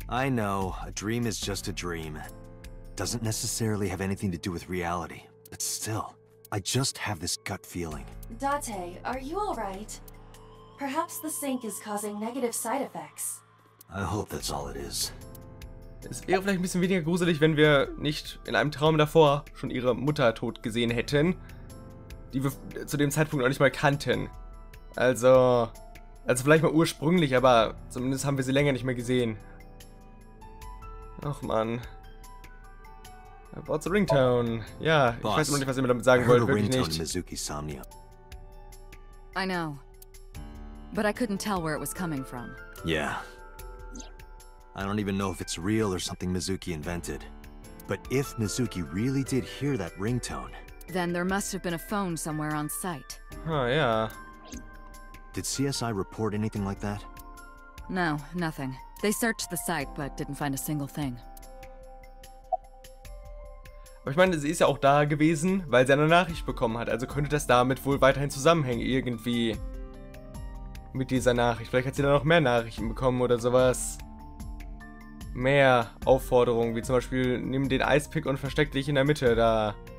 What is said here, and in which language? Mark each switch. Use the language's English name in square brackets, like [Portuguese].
[English] I know, a dream is just a dream. Doesn't necessarily have anything to do with reality. But still, I just have this gut feeling. Date, are you alright? Perhaps the sink is causing negative side effects. I hope that's all it is. [German] Es wäre vielleicht ein bisschen weniger gruselig, wenn wir nicht in einem Traum davor schon ihre Mutter tot gesehen hätten, die wir zu dem Zeitpunkt noch nicht mal kannten. Also vielleicht mal ursprünglich, aber zumindest haben wir sie länger nicht mehr gesehen. Ach man. [English] What's a ringtone? [German] Ja, ich Boss, weiß immer nicht, was ihr mir damit sagen wollt, wirklich nicht. [English] I know. But I couldn't tell where it was coming from. Yeah. I don't even know if it's real or something Mizuki invented. But if Mizuki really did hear that ringtone, then there must have been a phone somewhere on site. Oh, yeah. Did CSI report anything like that? No, nothing. They searched the site, but didn't find a single thing. [German] Aber ich meine, sie ist ja auch da gewesen, weil sie eine Nachricht bekommen hat. Also könnte das damit wohl weiterhin zusammenhängen, irgendwie. Mit dieser Nachricht. Vielleicht hat sie dann noch mehr Nachrichten bekommen oder sowas. Mehr Aufforderungen, wie zum Beispiel, nimm den Eispick und versteck dich in der Mitte, da.